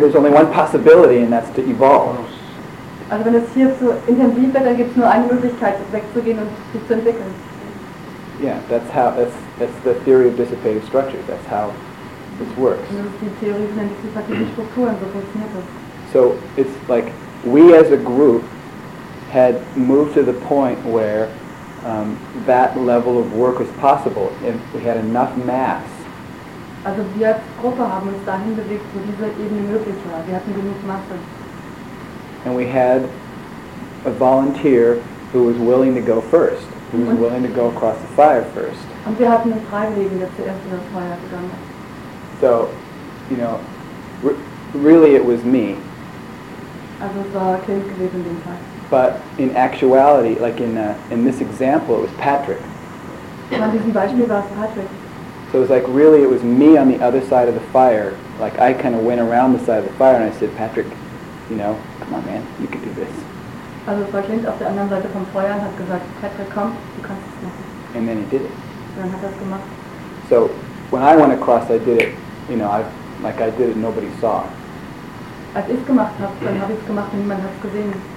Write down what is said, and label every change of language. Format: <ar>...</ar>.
<en>There's only one possibility, and that's to evolve.</en> <de>Also wenn es hier zu intensiv wird, dann gibt's nur eine Möglichkeit, wegzugehen und sich zu entwickeln.</de> <en>Yeah, that's how. That's the theory of dissipative structures. That's how this works.</en> <de>Die Theorie von dissipativen Strukturen, so funktioniert das.</de> <en>So it's like we as a group had moved to the point where that level of work was possible if we had enough mass.</en> <de>Also wir als Gruppe haben uns dahin bewegt, wo diese Ebene möglich war. Wir hatten genug Masse.</de> <en>And we had a volunteer who was willing to go first, who was willing to go across the fire first.</en> <de>Und wir hatten einen Freiwilligen, der zuerst in das Feuer gegangen ist.</de> <en>So, you know, really it was me.</en> <de>Also es war Clint gewesen in dem Fall.</de> <en>But in actuality, like in this example, it was Patrick.</en> <de>An diesem Beispiel war es Patrick.</de> <en>So it was like really it was me on the other side of the fire. Like I kind of went around the side of the fire and I said, Patrick, you know, come on man, you can do this.</en> <de>Also es war Clint auf der anderen Seite vom Feuer und hat gesagt, Patrick, komm, du kannst es machen.</de> <en>And then he did it.</en> <de>Und dann hat er es gemacht.</de> <en>So when I went across, I did it, you know, I did it and nobody saw.</en> <de>Als ich es gemacht habe, dann habe ich es gemacht und niemand hat es gesehen.</de>